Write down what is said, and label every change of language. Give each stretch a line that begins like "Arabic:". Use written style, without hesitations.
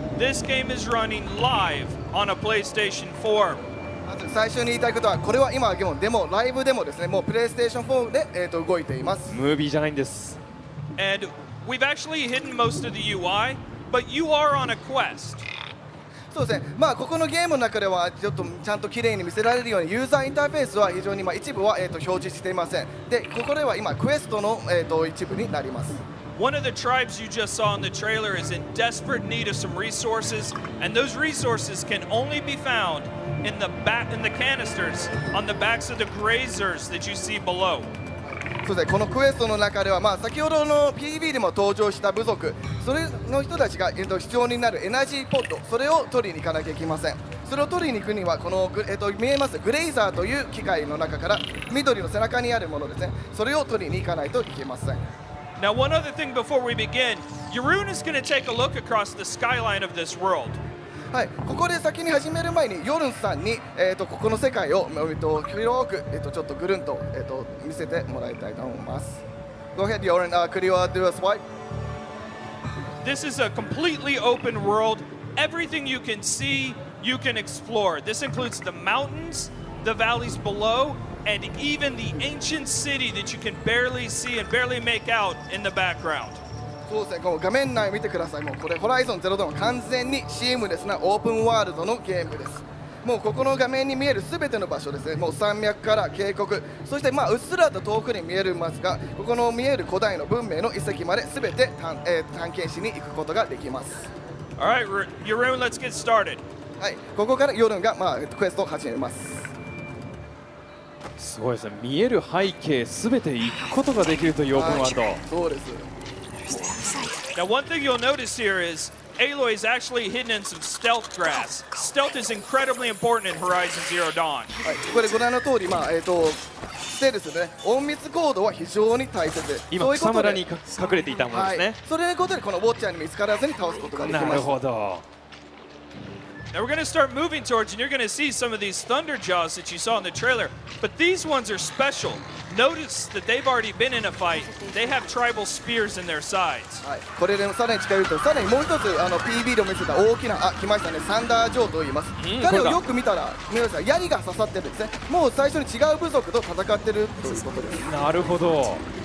English: This game is running live on a PlayStation 4.
Japanese: 最初に言いたいことは、これは今でもデモ、ライブデモですね。もう PlayStation 4で動いています。ムービーじゃないんです。
English: And we've actually hidden most of the UI, but you are on a quest.
Japanese: そうですね。まあここのゲームの中ではちょっとちゃんと綺麗に見せられるようにユーザーインターフェースは非常にまあ一部は表示していません。で、ここでは今クエストの一部になります。
English: One of the tribes you just saw in the trailer is in desperate need of some resources, and those resources can only be found in the back, in the canisters on the backs of the grazers that you see below.
Japanese: そうですね。このクエストの中では、まあ先ほどの PV でも登場した部族、それの人たちが必要になるエナジーポット、それを取りに行かなきゃいけません。それを取りに行くにはこの見えますグレイザーという機械の中から緑の背中にあるものですね。それを取りに行かないといけません。
English: Now one other thing before we begin, Yarun is going to take a look across the skyline of this world.
Japanese: はい、ここで先に始める前にヨルンさんにここの世界を広くちょっとぐるんと見せてもらいたいと思います。
English: Go ahead, Yarun. Could you do a swipe? This is a completely open world. Everything you can see, you can explore. This includes the mountains, the valleys below. And even the ancient city that you can barely see and barely make out in the background.
Japanese: そうですね。この画面内見てください。もうこれ Horizon Zero Dawn 完全にシームレスなオープンワールドのゲームです。もうここの画面に見えるすべての場所ですね。もう山脈から渓谷、そしてまあうっすらと遠くに見えるますが、ここの見える古代の文明の遺跡まですべて探検しに行くことができます。
English: All right, Yarun, let's get started.
Japanese: はい。ここからヨルンがまあクエストを始めます。すごいですね。見える背景すべて行くことができるというオープンワールド。そうです。
English: Now one thing you'll notice here is Aloy is actually hidden in some stealth grass. Stealth is incredibly important in Horizon Zero Dawn.
Japanese: はい、これご覧の通り、まあステルスね、隠密行動は非常に大切で、今草むらに隠れていたものですね。はい、それのことでこのウォッチャーに見つからずに倒すことができました。なるほど。
English: Now we're going to start moving towards, and you're going to see some of these thunder jaws that you saw in the trailer. But these ones are special. Notice that they've already been in a fight. They have tribal spears in their sides.
Japanese: はい、これでもさらに近寄ると、さらにもう一つPV で見せた大きな、あ、来ましたね、サンダー・ジョーと言います。彼をよく見たら、皆さん、槍が刺さってるんですね。もう最初に違う部族と戦ってるということです。なるほど。